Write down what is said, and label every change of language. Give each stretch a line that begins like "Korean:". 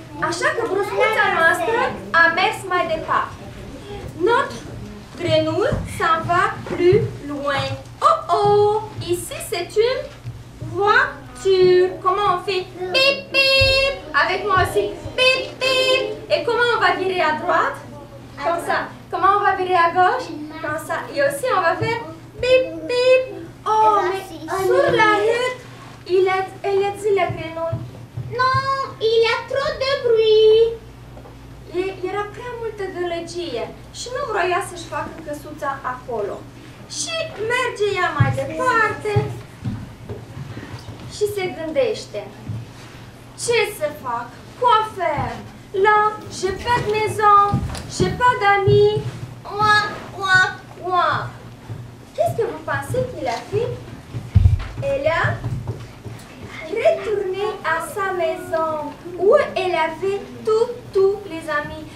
Romanian: Așa că broscuța noastră a mers mai departe.
French: Notre grenouille s'en va plus loin. Oh oh! Ici, c'est une voiture. Comment on fait? Bip bip! Avec moi aussi. Bip bip! Et comment on va dire? droite, comme ça. Comment on va virer à gauche? Comme ça. Et aussi, on va faire bip, bip. Oh, mais sur la route, elle a dit la grenouille. Non, il y a trop de bruit.
Romanian: Era prea multă gălăgie și nu vroia să-și facă căsuța acolo. Și merge ea mai departe și se gândește. Ce să fac?
French: Quoi faire? Là, je pas de maison, je pas d'amis. Moi, moi, moi. Qu'est-ce que vous pensez qu'il a fait? Elle a retourné à sa maison où elle avait tous les amis.